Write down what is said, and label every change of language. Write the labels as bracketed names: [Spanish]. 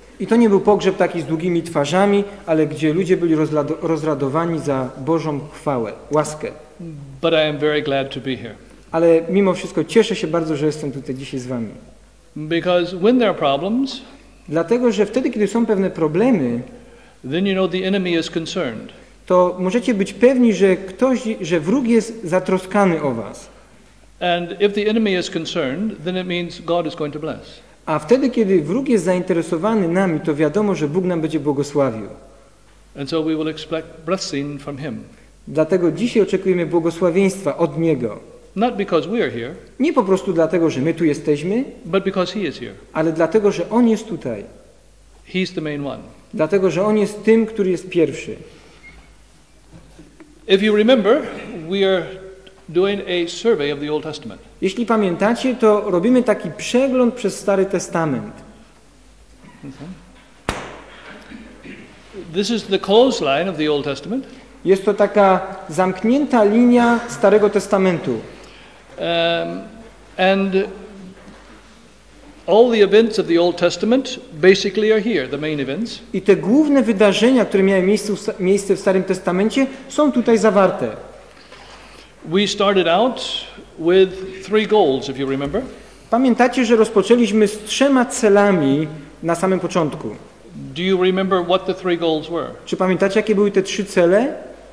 [Polish] I to nie był pogrzeb taki z długimi twarzami, ale gdzie ludzie byli rozradowani za Bożą chwałę, łaskę. [English] But I am very glad to be here. [Polish] Ale mimo wszystko cieszę się bardzo, że jestem tutaj dzisiaj z wami. [English] Because when there are problems, [Polish] dlatego że wtedy, kiedy są pewne problemy, [English] then you know the enemy is concerned. [Polish] To możecie być pewni, że ktoś, że wróg jest zatroskany o was. [English] And if the enemy is concerned, then it means God is going to bless. [Polish] A wtedy, kiedy wróg jest zainteresowany nami, to wiadomo, że Bóg nam będzie błogosławił. [English] And so we will expect blessing from him. [Polish] Dlatego dzisiaj oczekujemy błogosławieństwa od Niego. [English] Not because we are here, [Polish] nie po prostu dlatego, że my tu jesteśmy, [English] but because he is here. [Polish] Ale dlatego, że On jest tutaj. [English] He is the main one. [Polish] Dlatego, że On jest tym, który jest pierwszy. [English] If you remember, we are doing a survey of the Old Testament. [Polish] Jeśli pamiętacie, to robimy taki przegląd przez Stary Testament. [English] This is the clothesline of the Old Testament. [Polish] Jest to taka zamknięta linia Starego Testamentu. [English] And all the events of the Old Testament basically are here, the main events. [Polish] I te główne wydarzenia, które miały miejsce w Starym Testamencie, są tutaj zawarte. [English] We started out with three goals, if you remember. [Polish] Pamiętacie, że rozpoczęliśmy z trzema celami na samym początku. [English] Do you remember what the three goals were? [Polish] Czy pamiętacie, jakie były te trzy cele?